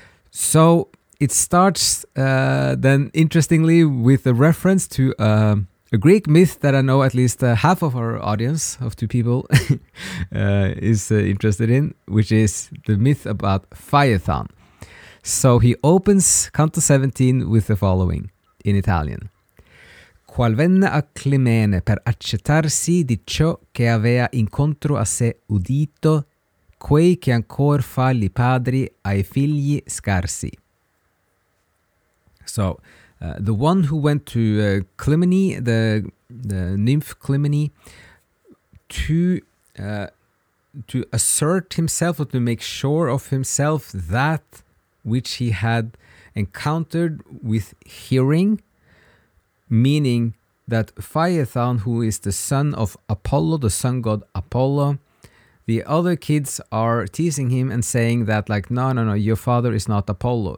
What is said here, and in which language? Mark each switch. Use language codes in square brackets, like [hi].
[en] So it starts then, interestingly, with a reference to a Greek myth that I know at least half of our audience of two people is interested in, which is the myth about Phaethon. So he opens Canto 17 with the following in Italian. [it] Qual venne a Climene per accettarsi di ciò che avea incontro a sé udito, quei che ancor fa li padri ai figli scarsi. [en] So, the one who went to Climene, the nymph Climene, to assert himself or to make sure of himself that which he had encountered with hearing, meaning that Phaethon, who is the son of Apollo, the sun god Apollo, the other kids are teasing him and saying that, like, no, your father is not Apollo.